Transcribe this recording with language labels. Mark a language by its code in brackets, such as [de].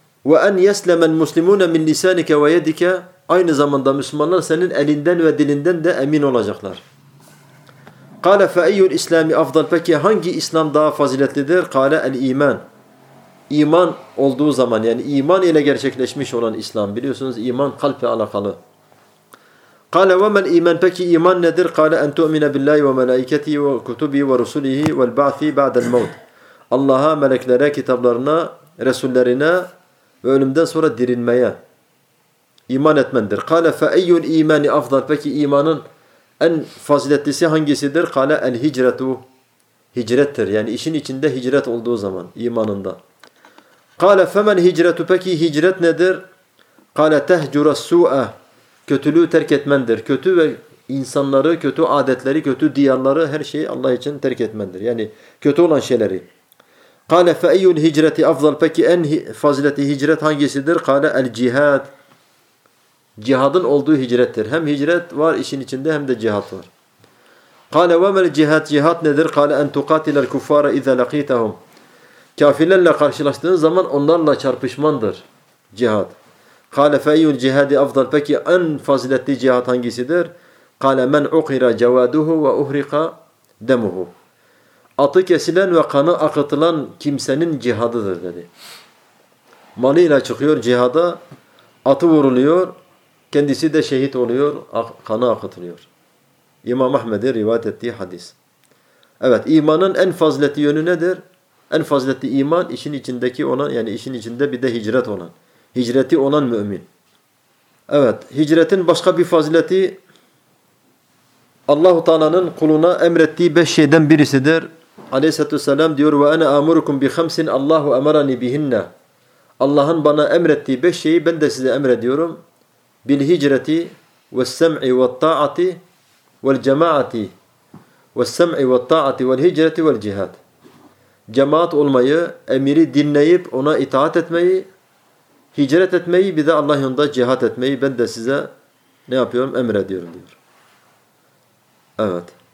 [ar] Ve en yeslemen muslimune min lisanike ve yedike. [tr] Aynı zamanda Müslümanlar senin elinden ve dilinden de emin olacaklar. [ar] قال فأي الإسلام أفضل. [tr] Peki hangi İslam daha faziletlidir? [ar] قال الإيمان. [tr] İman olduğu zaman, yani iman ile gerçekleşmiş olan İslam. Biliyorsunuz iman kalple alakalı. [ar] قال وما الإيمان. [tr] Peki iman nedir? [ar] قال أن تؤمن بالله وملائكته وكتبه ورسله والبعث بعد الموت. [tr] Allah'a, meleklere, kitaplarına, resullerine ve ölümden sonra dirilmeye iman etmendir. [ar] قال فأي الإيمان أفضل. [tr] Peki imanın en faziletlisi hangisidir? [ar] قال الهجرة. [tr] Hicrettir. Yani işin içinde hicret olduğu zaman imanında. [ar] قال فمن هجرته. [tr] Peki hicret nedir? [ar] قال تهجر السوء. [tr] Kötülüğü terk etmendir. Kötü ve insanları, kötü adetleri, kötü diyarları, her şeyi Allah için terk etmendir. Yani kötü olan şeyleri. [ar] قال فأي الهجرة أفضل. [tr] Peki en faziletli hicret hangisidir? [ar] قال الجهاد. [tr] Cihadın olduğu hicrettir. Hem hicret var işin içinde hem de cihat var. [ar] قال وما الجهاد. [tr] Cihat nedir? [ar] قال أن تقاتل الكفار إذا لقيتهم. [tr] Kafirlerle karşılaştığın zaman onlarla çarpışmandır cihat. [ar] قال فأي الجهاد أفضل. [tr] Peki en faziletli cihat hangisidir? [ar] قال من عقر جواده وأهرق دمه. [tr] Atı kesilen ve kanı akıtılan kimsenin cihadıdır dedi. Malıyla çıkıyor cihada, atı vuruluyor, kendisi de şehit oluyor, kanı akıtılıyor. İmam Ahmed'in rivayet ettiği hadis. Evet, imanın en faziletli yönü nedir? En faziletli iman işin içindeki olan, yani işin içinde bir de hicret olan. Hicreti olan mümin. Evet, hicretin başka bir fazileti Allah-u Teala'nın kuluna emrettiği beş şeyden birisidir. Aleyhisselatü Vesselam diyor [ar] وَاَنَا اَمُرُكُمْ بِخَمْسٍ اللّٰهُ اَمَرَنِي بِهِنَّ. [tr] Allah'ın bana emrettiği beş şeyi ben de size emrediyorum. [ar] بِالْهِجْرَةِ وَالسَّمْعِ وَالطَّاعَةِ وَالْجَمَاعَةِ وَالسَّمْعِ وَالطَّاعَةِ وَالْهِجْرَةِ وَالْجِهَادِ. [tr] Cemaat olmayı, emiri dinleyip ona itaat etmeyi, hicret etmeyi, bir de Allah yolunda cihat etmeyi ben de size ne yapıyorum? Emrediyorum diyor. Evet.